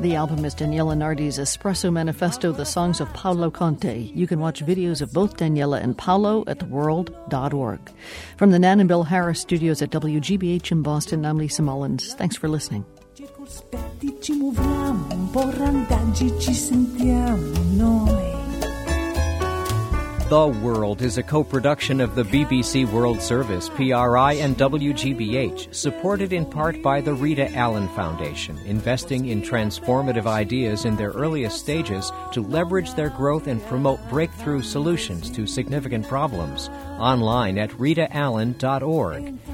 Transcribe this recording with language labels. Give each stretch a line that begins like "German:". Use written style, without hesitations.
English: The album is Daniela Nardi's Espresso Manifesto, the songs of Paolo Conte. You can watch videos of both Daniela and Paolo at theworld.org. From the Nan and Bill Harris studios at WGBH in Boston, I'm Lisa Mullins. Thanks for listening.
Italian: Ci muoviamo, un po' randaggi ci sentiamo noi.
English: The World is a co-production of the BBC World Service, PRI, and WGBH, supported in part by the Rita Allen Foundation, investing in transformative ideas in their earliest stages to leverage their growth and promote breakthrough solutions to significant problems, online at ritaallen.org,